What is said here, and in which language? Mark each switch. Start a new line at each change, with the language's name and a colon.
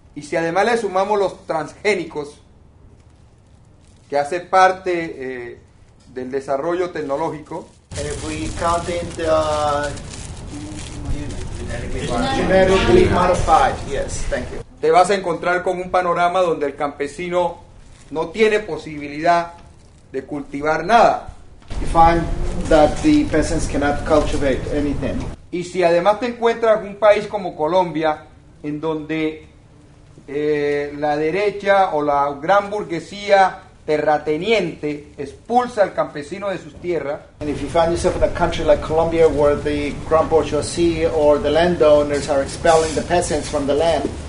Spanish: Y si además le sumamos los transgénicos, que hace parte del desarrollo tecnológico.
English: And if we count in the genetically modified, yes, thank you.
Spanish: Te vas a encontrar con un panorama donde el campesino no tiene posibilidad de cultivar nada.
English: You find that the peasants cannot cultivate anything.
Spanish: Y si además te encuentras un país como Colombia, en donde la derecha o la gran burguesía terrateniente expulsa al campesino de sus tierras.
English: And if you find yourself in a country like Colombia where the grand bourgeoisie or the landowners are expelling the peasants from the land.